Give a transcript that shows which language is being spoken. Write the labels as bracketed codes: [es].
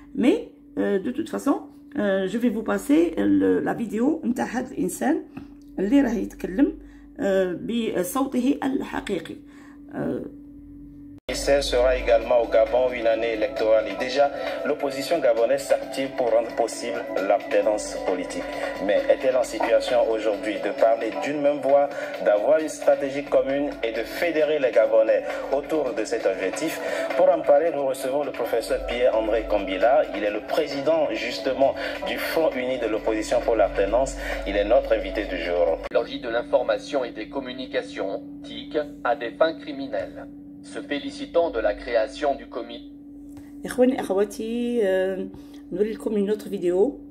[fr] مي دو توت فاسون je vais vous passer la vidéo [ar] نتاع هذا الانسان اللي راه يتكلم بصوته الحقيقي. [fr] Sera également au Gabon une année électorale et déjà l'opposition gabonaise s'active pour rendre possible l'alternance politique. Mais est-elle en situation aujourd'hui de parler d'une même voix, d'avoir une stratégie commune et de fédérer les Gabonais autour de cet objectif? Pour en parler, nous recevons le professeur Pierre-André Kambila. Il est le président justement du Front uni de l'opposition pour l'alternance. Il est notre invité du jour. L'orgie de l'information et des communications TIC à des fins criminelles. Se félicitant de la création du comité. [ar] اخواني اخواتي نوريلكم [fr] une autre vidéo.